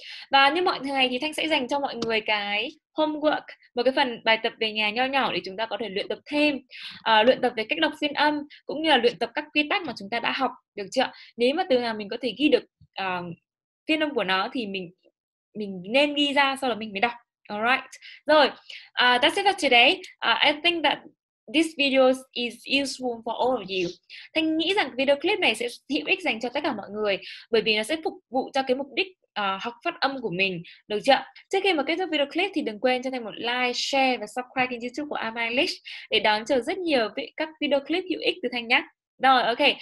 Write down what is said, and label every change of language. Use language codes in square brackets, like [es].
[vi] Và như mọi ngày thì Thanh sẽ dành cho mọi người cái homework, một cái phần bài tập về nhà nho nhỏ để chúng ta có thể luyện tập thêm, luyện tập về cách đọc phiên âm cũng như là luyện tập các quy tắc mà chúng ta đã học được chưa? Nếu mà từ nào mình có thể ghi được phiên âm của nó thì mình nên ghi ra sau đó mình mới đọc. [en] Alright. [vi] Rồi, [en] that's it for today. I think that this video is useful for all of you. [vi] Thanh nghĩ rằng video clip này sẽ hữu ích dành cho tất cả mọi người bởi vì nó sẽ phục vụ cho cái mục đích học phát âm của mình. Được chưa? Trước khi mà kết thúc video clip thì đừng quên cho Thanh một like, share và subscribe kênh YouTube của Am English để đón chờ rất nhiều các video clip hữu ích từ Thanh nhé. Rồi, ok.